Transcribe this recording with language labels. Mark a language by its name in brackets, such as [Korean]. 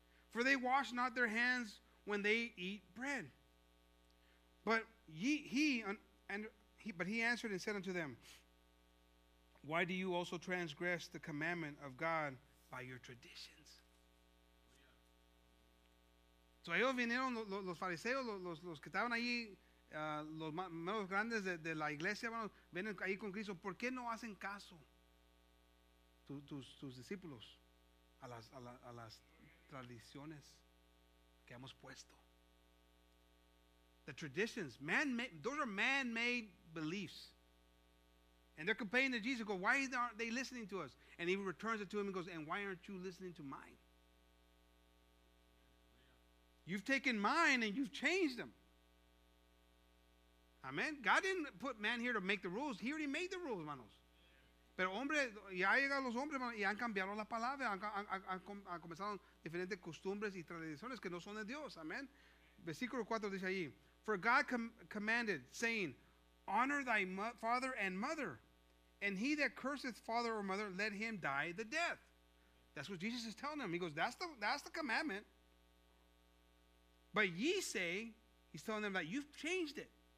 [English] For they wash not their hands when they eat bread. But he answered and said unto them, why do you also transgress the commandment of God by your traditions? [Spanish] So ellos vinieron, los fariseos, los que estaban ahí, los menos grandes de la iglesia, hermanos, vienen ahí con Cristo. ¿Por qué no hacen caso tus discípulos a las tradiciones que hemos puesto? [English] The traditions, those are man-made beliefs. And they're complaining to Jesus, go, why aren't they listening to us? And he returns it to him and goes, and why aren't you listening to mine? You've taken mine and you've changed them. Amen. God didn't put man here to make the rules. He already made the rules, [Spanish] hermanos. Pero hombre, ya llegan los hombres, hermanos, y han cambiado la palabra. Han comenzado diferentes costumbres y tradiciones que no son de Dios. Amen. Versículo 4 dice ahí, [English] for God commanded, saying, honor thy father and mother, and he that curseth father or mother, let him die the death. That's what Jesus is telling them. He goes, that's the commandment. But ye say, he's telling them that you've changed it.